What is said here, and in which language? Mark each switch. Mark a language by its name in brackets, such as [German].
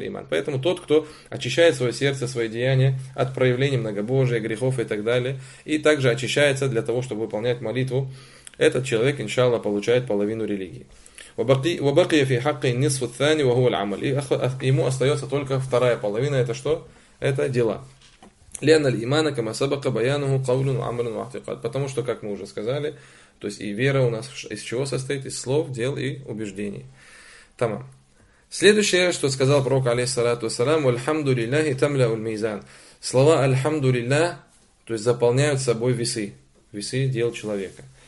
[Russian] Поэтому тот, кто очищает свое сердце, свои деяния от проявлений многобожия, грехов и так далее, и также очищается для того, чтобы выполнять молитву, этот человек, иншаллах, получает половину религии. [Arabic] وبقي في حقه النصف الثاني وهو العمل. [Russian] Ему остается только вторая половина. Это что? Это дела. [Arabic] لأن الإيمان كما سبق بيانه قول وعمل واعتقاد. [Russian] Потому что, как мы уже сказали, то есть и вера у нас из чего состоит? Из слов, дел и убеждений. Тамам. Следующее, что сказал пророк алейхиссалату вассалам, [Arabic] والحمد لله تملا الميزان. [Russian] Слова الحمد لله, то есть заполняют собой весы, весы дел человека.